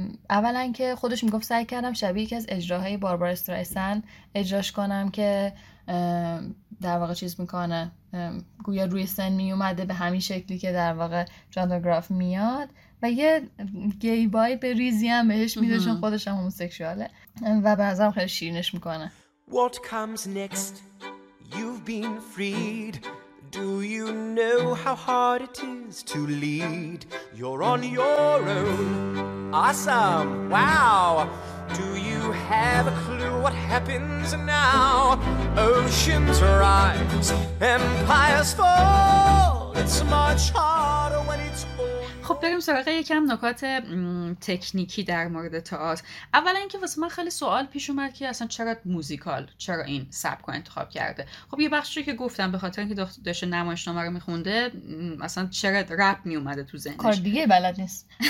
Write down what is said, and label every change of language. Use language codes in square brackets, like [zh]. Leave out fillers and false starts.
[fa] اولا که خودش میگفت سعی کردم شبیه یکی از اجراهای باربارا استرایسن اجراش کنم که در واقع چیز میکنه، گویا روی سن میومده به همین شکلی که در واقع جانتون گراف میاد، و یه گی بای به ریزی هم بهش میده چون خودش هم هموسکشواله، و به نظرم خیلی شیرینش میکنه. [en] What comes next? You've been freed. Do you know how hard it is to lead? You're on your own. Awesome. Wow. Do you have a clue what happens now? Oceans rise, empires fall. It's much harder when it's all. [fa] خب بریم سراغ یکم نکات تکنیکی در مورد تئاتر. اولا اینکه واسه من خیلی سوال پیش اومد که اصلا چرا موزیکال، چرا این سبک رو انتخاب کرده. خب یه بخشی که گفتم به خاطر اینکه داشته نمایشنامه رو میخونده، اصلا چرا رپ میومده تو ذهنش؟ کار دیگه بلد نیست.